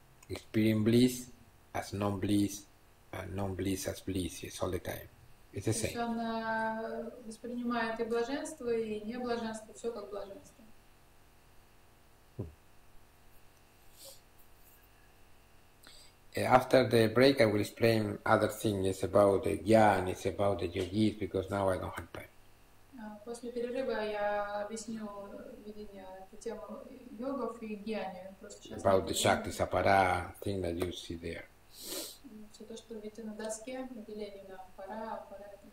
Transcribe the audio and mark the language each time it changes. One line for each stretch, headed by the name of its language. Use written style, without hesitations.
English: Experience bliss as non-bliss, and non-bliss as bliss, yes, all the time. It's the same.
Russian: Он воспринимает и блаженство, и неблаженство, все как блаженство.
English: After the break, I will explain other things. It's about the jnana, it's about the yogis, because now I don't have time.
Russian: После перерыва я объясню видение этой темы йогов и джняны.
English: About the shaktis apara, thing that you see there.
Russian: Все то, что видите на доске, деление на пара, апара.